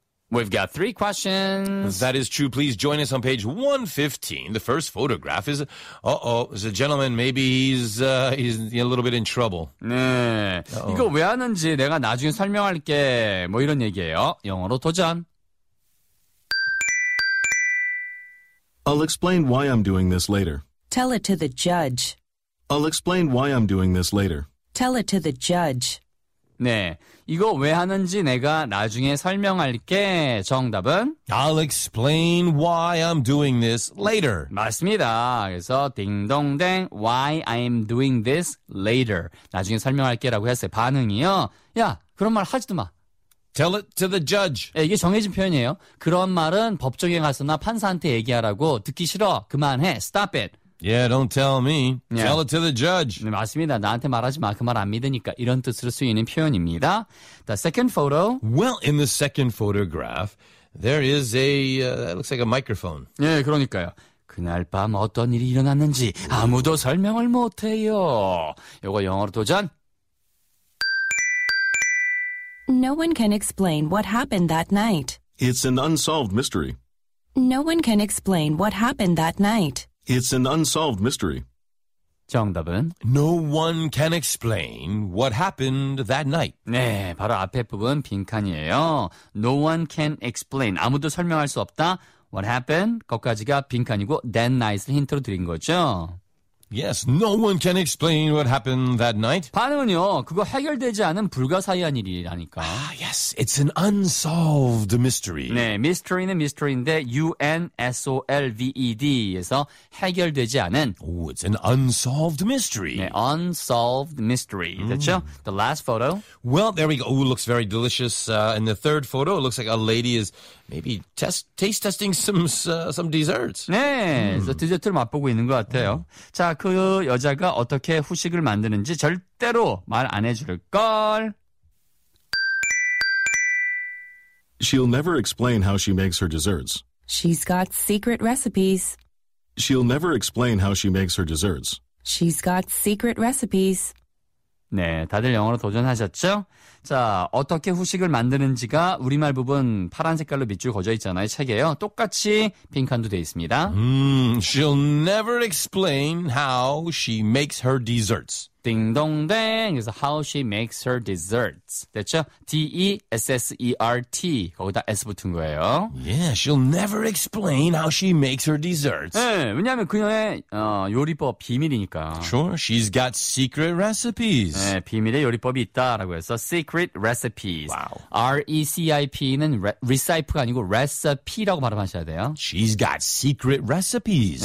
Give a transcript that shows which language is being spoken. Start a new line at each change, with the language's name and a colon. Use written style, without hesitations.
English: We've got three questions. That is true. Please join us on page 115. The first photograph is, is a gentleman. Maybe he's a little bit in trouble. 네. Uh-oh.
Korean: 이거 왜 하는지 내가 나중에 설명할게. 뭐 이런 얘기예요. 영어로 도전.
English: I'll explain why I'm doing this later. Tell it to the judge. I'll explain why I'm doing this later. Tell it to the judge.
Korean: 네. 이거 왜 하는지 내가 나중에 설명할게. 정답은?
English: I'll explain why I'm doing this later.
Korean: 맞습니다. 그래서 딩동댕
English: why I'm doing this later.
Korean: 나중에 설명할게 라고 했어요. 반응이요. 야, 그런 말 하지도 마.
English: Tell it to the judge.
Korean: 네, 이게 정해진 표현이에요. 그런 말은 법정에 가서나 판사한테 얘기하라고 듣기 싫어. 그만해.
English: Stop it. Yeah, don't tell me. Yeah. Tell it to the judge.
Korean: 네, 맞습니다. 나한테 말하지 마. 그 말 안 믿으니까. 이런 뜻으로 쓰이는 표현입니다.
English: The second photo. Well, in the second photograph, there is a, that looks like a microphone.
Korean: 예, 네, 그러니까요. 그날 밤 어떤 일이 일어났는지 아무도 설명을 못해요. 요거 영어로 도전.
English: No one can explain what happened that night. It's an unsolved mystery. No one can explain what happened that night. It's an unsolved mystery.
Korean: 정답은?
English: No one can explain what happened that night.
Korean: 네, 바로 앞에 부분 빈칸이에요.
English: No one can explain.
Korean: 아무도 설명할 수 없다.
English: What happened?
Korean: 거기까지가 빈칸이고
English: that night
Korean: 을 힌트로 드린 거죠.
English: Yes, no one can explain what happened that night.
Korean: 반응은요, 그거 해결되지 않은 불가사의한 일이라니까.
English: Ah, yes, it's an unsolved mystery.
Korean: 네, mystery는 mystery인데 UNSOLVED에서 해결되지 않은.
English: Oh, it's an unsolved mystery. 네, unsolved mystery.
Korean: 됐죠?
English: Mm. The last photo. Well, there we go. Oh, it looks very delicious. In the third photo, it looks like a lady is maybe taste testing some desserts.
Korean: 네, 그래서 디저트를 맛보고 있는 것 같아요. 자, 그 여자가 어떻게 후식을 만드는지 절대로 말 안 해줄걸.
English: She'll never explain how she makes her desserts. She's got secret recipes. She'll never explain how she makes her desserts. She's got secret recipes.
Korean: 네, 다들 영어로 도전하셨죠? 자, 어떻게 후식을 만드는지가 우리말 부분 파란 색깔로 밑줄 거져 있잖아요, 책에요. 똑같이 빈칸도 돼 있습니다.
English: She'll never explain how she makes her desserts.
Korean: 딩동댕, 그래서
English: how she makes her desserts.
Korean: 됐죠? D-E-S-S-E-R-T, 거기다 S 붙은 거예요.
English: Yeah, she'll never explain how she makes her desserts.
Korean: 네, 왜냐하면 그녀의 요리법 비밀이니까.
English: Sure, she's got secret recipes.
Korean: 네, 비밀의 요리법이 있다라고 해서
English: secret recipes. Wow.
Korean: R-E-C-I-P는 recipe가 아니고 recipe라고 발음하셔야 돼요.
English: She's got secret recipes.